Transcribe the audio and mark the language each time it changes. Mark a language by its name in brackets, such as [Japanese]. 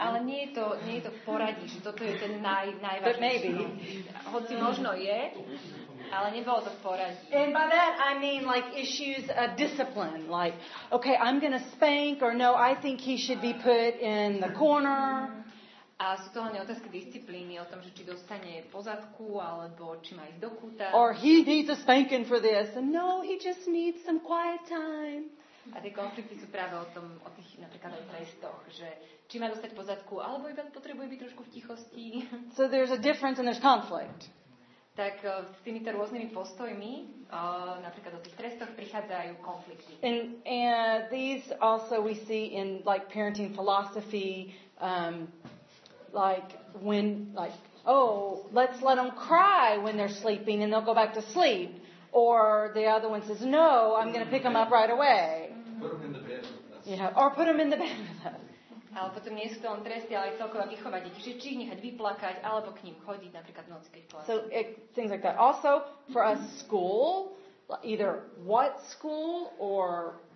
[Slovak] Ale nie je to v poradí, že toto je ten najvážnejší. [English] But maybe. [Slovak] Hoci možno je, ale nebolo to v poradí. [English] And by that I mean like issues of discipline. Like, okay, I'm going to spank, or no, I think he should be put in the corner. [Slovak] A sú to hlavne otázky disciplíny o tom, že či dostane pozadku alebo či má ísť do kúta. [English] Or he needs a spanking for this. And no, he just needs some quiet time. [Slovak] A tie konflikty sú práve o tom, o tých napríklad aj trestoch, že či má dostať pozadku alebo iba potrebuje byť trošku v tichosti. [English] So there's a difference and there's conflict. [Slovak] Tak s týmito rôznymi postojmi, napríklad o tých trestoch, prichádzajú konflikty. [English] And these also we see in like parenting philosophy, let's let them cry when they're sleeping and they'll go back to sleep. Or the other one says, no, I'm going to pick them up right away. Put them in the bed with us. Yeah, or put them in the bed with us. [Slovak] A potom nie sú to len tresty, ale celkovo vychovať deti, že či ich nechať vyplakať, alebo k ním chodiť, napríklad v noci, keď plačú. [English] So things like that. Also, for us, school, either what school or...